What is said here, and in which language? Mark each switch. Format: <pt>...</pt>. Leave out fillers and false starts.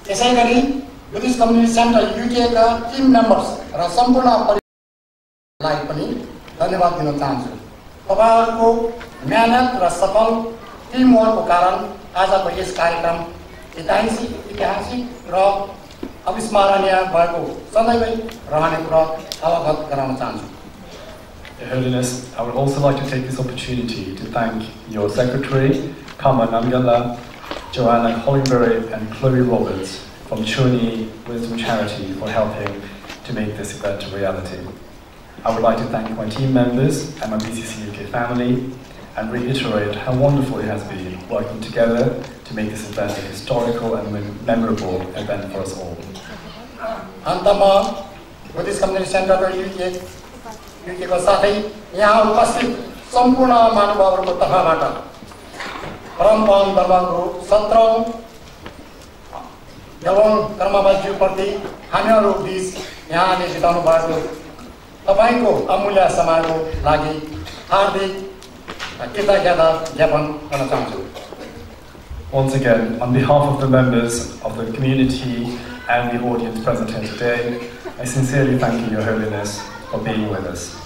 <ne>यसै गरी Buddhist community centre युकेका team members र सम्पूर्ण परिवारलाई पनि धन्यवाद दिन चाहन्छु। तपाईँहरूको मेहनत र सफल टिमवर्कको कारण आजको यस कार्यक्रम ऐतिहासिक र अविस्मरणीय भएको सधैँ नै रहने कुरा अवगत गराउन चाहन्छु।</ne> <en>Your Holiness, I would also like to take this opportunity to thank your secretary, Kama Namgala, Joanna Hollingbury and Chloe Roberts from Chuni Wisdom Charity for helping to make this event a reality. I would like to thank my team members and my BCCUK family and reiterate how wonderful it has been working together to make this event a historical and memorable event for us all.</en> <ne>Antama, Buddhist Community Center for UK ko sathai yahan upasthit sampurna manubhavar ko tarfa bata परमपाउन धर्मगुरु 17 औं एवं कर्मापा ज्यू प्रति हामीहरु बीच यहाँले जिताउनु भएको तपाईँको अमूल्य समयको लागि हार्दिक कृतज्ञता ज्ञापन गर्न चाहन्छु.</ne> <en>Once again, on behalf of the members of the community and the audience present here today, I sincerely thank you, Your Holiness, for being with us.</en>